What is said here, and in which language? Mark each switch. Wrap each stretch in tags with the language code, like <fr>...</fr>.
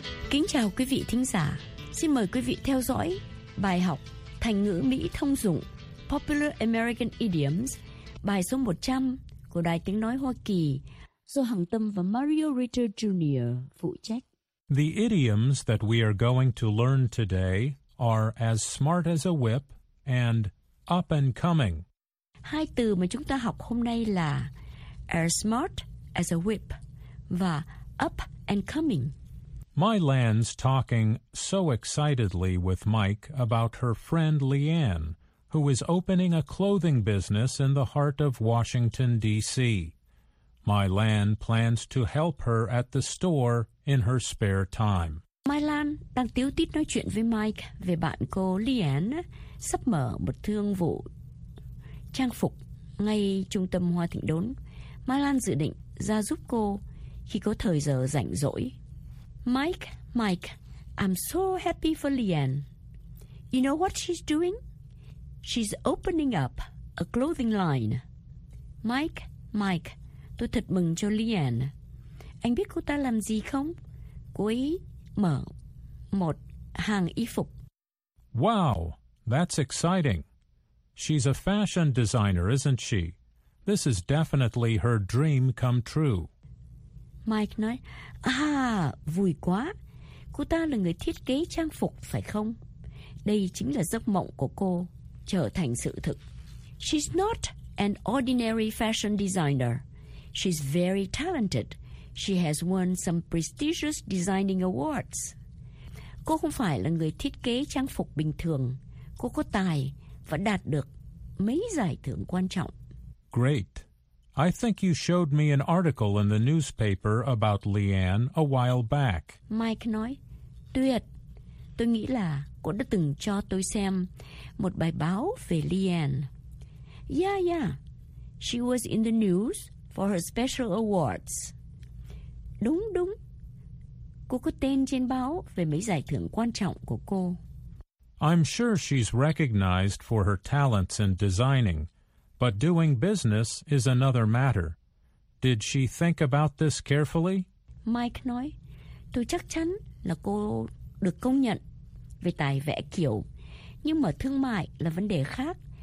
<vi>Kính chào quý vị thính giả. Xin mời quý vị theo dõi bài học Thành ngữ Mỹ thông dụng</vi> <en>Popular American Idioms,</en> <vi>bài số 100 của Đài Tiếng Nói Hoa Kỳ do Hằng Tâm và Mario Ritter Jr. phụ trách.</vi> <en>The idioms that we are going to learn today are as smart as a whip and up and coming.</en> <vi>Hai từ mà chúng ta học hôm nay là</vi> <en>as smart as a whip</en> <vi>và</vi> <en>up and coming. My Lan's talking so excitedly with Mike about her friend Leanne, who is opening a clothing business in the heart of Washington, D.C. My Lan plans to help her at the store in her spare time.</en> <vi>My Lan đang tíu tít nói chuyện với Mike về bạn cô Leanne sắp mở một thương vụ trang phục ngay trung tâm Hoa Thịnh Đốn. My Lan dự định ra giúp cô khi có thời giờ rảnh rỗi.</vi> <en>Mike, I'm so happy for Leanne. You know what she's doing? She's opening up a clothing line.</en> <vi>Mike, tôi thật mừng cho Leanne. Anh biết cô ta làm gì không? Cô ấy mở một hàng y phục.</vi> <en>Wow, that's exciting. She's a fashion designer, isn't she? This is definitely her dream come true.</en> <vi>Mike nói, vui quá. Cô ta là người thiết kế trang phục, phải không? Đây chính là giấc mộng của cô, trở thành sự thực.</vi> <en>She's not an ordinary fashion designer. She's very talented. She has won some prestigious designing awards.</en> <vi>Cô không phải là người thiết kế trang phục bình thường. Cô có tài và đạt được mấy giải thưởng quan trọng.</vi> <en>Great. I think you showed me an article in the newspaper about Leanne a while back.</en> <vi>Mike nói, tuyệt. Tôi nghĩ là cô đã từng cho tôi xem một bài báo về Leanne.</vi> <en>Yeah. She was in the news for her special awards.</en> <vi>Đúng. Cô có tên trên báo về mấy giải thưởng quan trọng của cô.</vi> <en>I'm sure she's recognized for her talents in designing. But doing business is another matter. Did she think about this carefully?</en> <vi>Mike nói, tôi chắc chắn là cô được công nhận về tài vẽ kiểu. Nhưng mà thương mại là vấn đề khác.</vi>